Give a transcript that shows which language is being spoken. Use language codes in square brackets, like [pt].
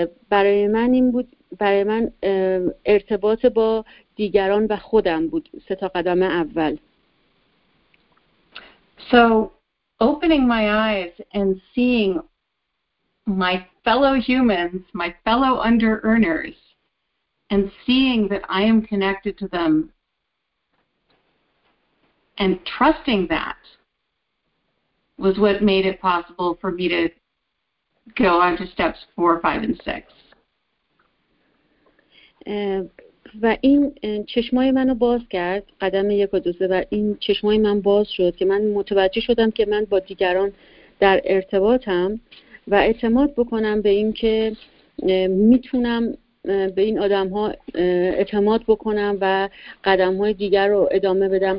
[fa] برای من این بود، برای من ارتباط با دیگران و خودم بود سه تا قدم اول. [en] So opening my eyes and seeing my fellow humans, my fellow under earners, and seeing that I am connected to them and trusting that was what made it possible for me to go on to steps 4, 5, and 6. [fa] و این چشمای منو باز کرد، قدم 1 و 2 و این چشمای من باز شد که من متوجه شدم که من با دیگران در ارتباطم و اعتماد بکنم به این که میتونم به این آدم ها اعتماد بکنم و قدم های دیگر رو ادامه بدم.